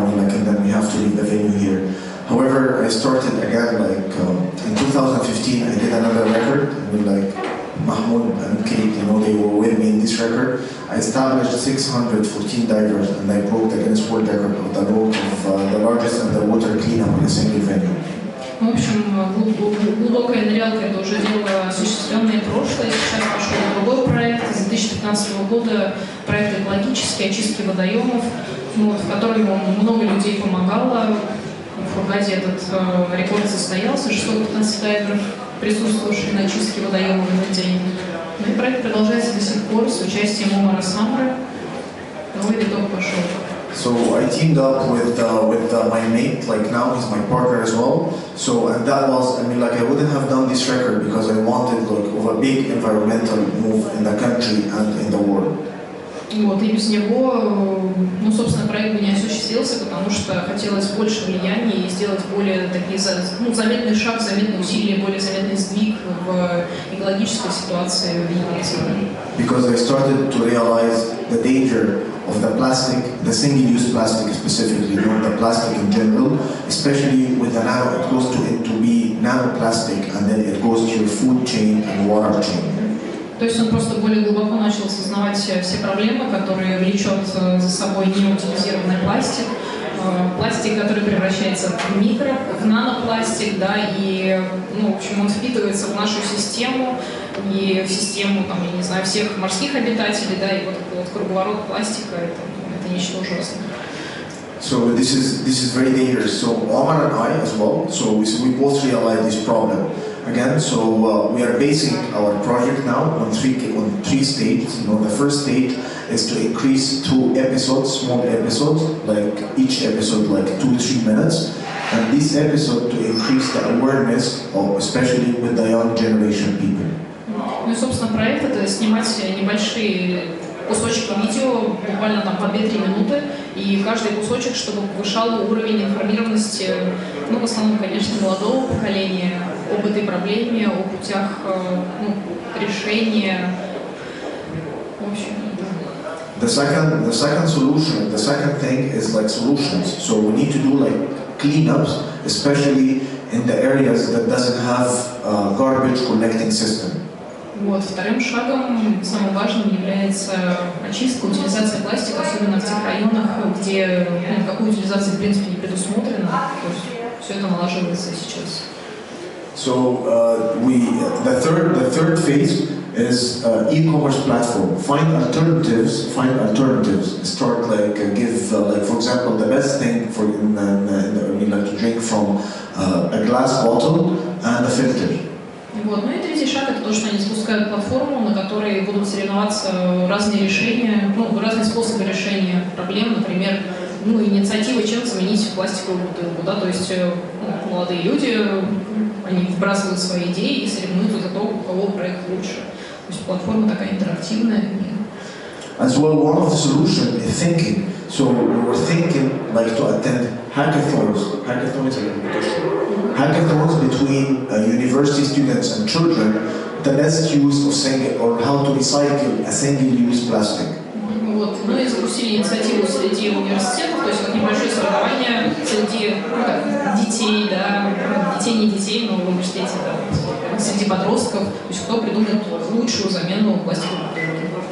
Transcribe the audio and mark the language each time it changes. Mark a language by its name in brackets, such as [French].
[English] I mean, like, and then we have to leave the venue here. However, I started again like in 2015. I did another record. I mean, like Mahmoud and Kate, you know, they were with me in this record. I established 614 divers and I broke the Guinness World Record of the boat of the largest underwater cleanup in a single venue. [Russian] В общем, глубокая нырялка — это уже дело осуществленное прошлое. Сейчас пошел другой проект с 2015 года, проект экологический, очистки водоемов, вот, в котором много людей помогало. В Хургаде этот рекорд состоялся, 615 дайверов, присутствовавших на очистке водоемов в этот день. Ну и проект продолжается до сих пор с участием Омара Самры. Новый виток пошел. [English] So I teamed up with my mate, like now he's my partner as well. So, and that was, I mean, like I wouldn't have done this record because I wanted like of a big environmental move in the country and in the world. [Russian] Вот, и без него, ну, собственно, проект бы не осуществился, потому что хотелось больше влияния и сделать более такие, ну, заметный шаг, заметные усилия, более заметный сдвиг в экологической ситуации в Египте. [English] Because I started to realize the danger of the plastic, the single-use plastic specifically, not the plastic in general, especially with the nano, it goes to it to be nanoplastic, and then it goes to your food chain and water chain. [Russian] То есть он просто более глубоко начал осознавать все проблемы, которые влечет за собой неутилизированный пластик, пластик, который превращается в микро, в нанопластик, да, и, ну, в общем, он впитывается в нашу систему и в систему, там, я не знаю, всех морских обитателей, да, и вот этот вот круговорот пластика — это нечто ужасное. [English] So this is very dangerous. So Omar and I as well, so we both realize this problem. Again, so we are basing our project now on three stages. You know, the first stage is to increase two episodes, small episodes, like each episode like 2-3 minutes. And this episode to increase the awareness of, especially with the young generation people. [Russian] Ну, собственно, проект — это снимать небольшие кусочки видео, буквально там по 2-3 минуты, и каждый кусочек, чтобы повышал уровень информированности, ну, в основном, конечно, молодого поколения, об этой проблеме, о путях, ну, решения, в общем. [English] The second thing is like solutions. So we need to do like cleanups, especially in the areas that doesn't have garbage collecting system. [Russian] Вот, вторым шагом, самым важным, является очистка, утилизация пластика, особенно в тех районах, где никакой утилизации, в принципе, не предусмотрено. То есть все это налаживается сейчас. [English] So, the third phase is e-commerce platform. Find alternatives. Start like, give, for example, the best thing for to drink from a glass bottle and a filter. [Russian] Вот. Ну и третий шаг — это то, что они запускают платформу, на которой будут соревноваться разные решения, ну, разные способы решения проблем, например, ну, инициатива, чем заменить пластиковую бутылку, да, то есть, ну, молодые люди, они вбрасывают свои идеи и соревнуются за то, у кого проект лучше. То есть платформа такая интерактивная. [English] As well, one of the solutions is thinking. So we were thinking like to attend hackathons between university students and children, the best use of single or how to recycle a single-use plastic. [Russian] Вот, ну и запустили инициативу среди университетов, то есть как небольшие соревнования среди, ну, детей, да, детей, не детей, но в университете, да, среди подростков, то есть кто придумает лучшую замену пластиковой бутылки.